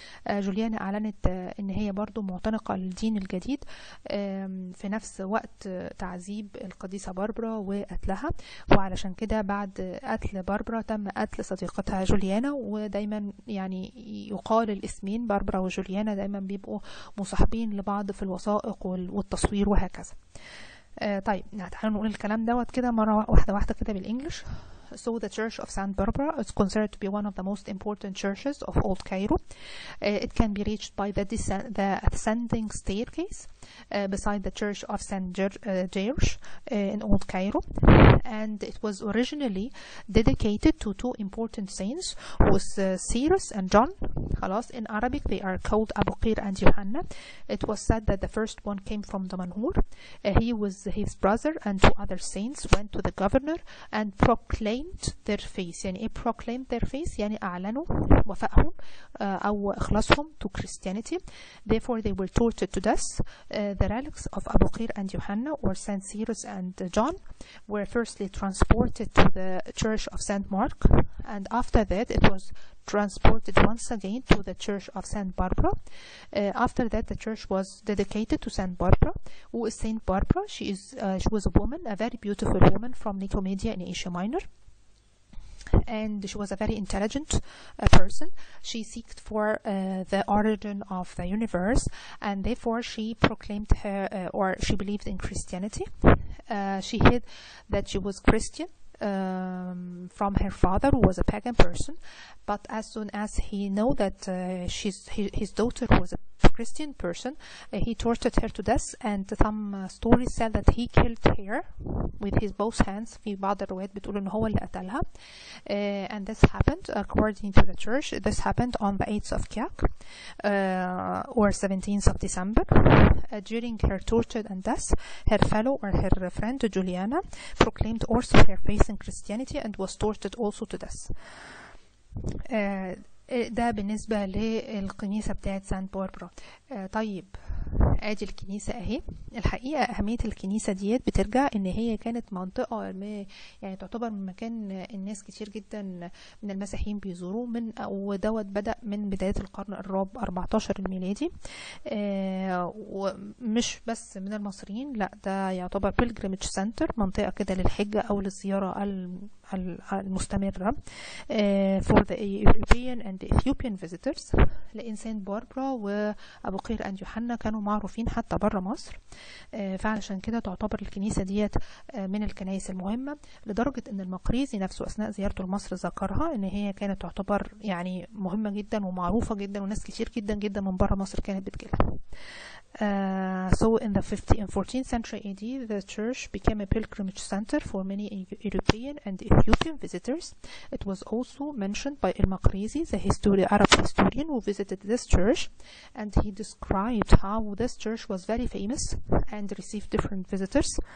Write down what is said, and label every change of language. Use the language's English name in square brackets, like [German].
[Arabic] جوليانا اعلنت ان هي برضو معتنقة للدين الجديد في نفس وقت تعذيب القديسة باربرا وقتلها، وعلشان كده بعد قتل باربرا تم قتل صديقتها جوليانا. ودايما يعني يقال الاسمين باربرا وجوليانا دايما بيبقوا مصاحبين لبعض في الوثائق والتصوير وهكذا. طيب تعالوا نقول الكلام دوت كده مرة واحدة واحدة كده بالانجلش. [English] So the Church of Saint Barbara is considered to be one of the most important churches of Old Cairo. It can be reached by the ascending staircase beside the Church of Saint George in Old Cairo. And it was originally dedicated to two important saints, who is Cyrus and John. [Arabic] خلاص [English] in Arabic they are called Abu Qir and Yuhanna. It was said that the first one came from the Manhur. He was his brother, and two other saints went to the governor and proclaimed their faith. [Arabic] يعني ايه [English] proclaim their faith؟ [Arabic] يعني اعلنوا وفائهم او اخلاصهم [English] to Christianity. Therefore they were tortured to death. The relics of Abu Qir and Yuhanna or Saint Cyrus and John were firstly transported to the church of Saint Mark, and after that it was transported once again to the church of Saint Barbara. After that the church was dedicated to Saint Barbara. Who is Saint Barbara? She was a woman, a very beautiful woman from Nicomedia in Asia Minor. And she was a very intelligent person. She seeked for the origin of the universe, and therefore she proclaimed her or she believed in Christianity. She hid that she was Christian from her father, who was a pagan person. But as soon as he knew that his daughter was a Christian person. He tortured her to death, and some stories said that he killed her with his both hands. [Arabic] في بعض الروايات بتقول إن هو اللي قتلها. [English] And this happened according to the church. This happened on the 8th of Kiak or 17th of December. During her torture and death, her fellow or her friend Juliana proclaimed also her faith in Christianity and was tortured also to death. [Arabic] ده بالنسبة للكنيسة بتاعت سانت باربرا. طيب ادي الكنيسة اهي. الحقيقة اهمية الكنيسة ديت بترجع ان هي كانت منطقة ما يعني تعتبر من مكان الناس كتير جدا من المسيحيين بيزوروا من ودوت بدأ من بداية القرن الرابع 14 الميلادي. ومش بس من المصريين، لا ده يعتبر بيلجريمج سنتر، منطقة كده للحجة او للزيارة المستمرة [English] for the European and Ethiopian visitors. [Arabic] لأن سانت باربرا وأبوقير أند يوحنا كانوا معروفين حتى بره مصر، فعلشان كده تعتبر الكنيسة ديت من الكنائس المهمة، لدرجة أن المقريزي نفسه أثناء زيارته لمصر ذكرها أن هي كانت تعتبر يعني مهمة جدا ومعروفة جدا، وناس كتير جدا جدا من بره مصر كانت بتجيلها. [English] So in the 15th and 14th century AD, the church became a pilgrimage center for many European and Ethiopian visitors. It was also mentioned by Al-Maqrizi, the Arab historian who visited this church, and he described how this church was very famous and received different visitors.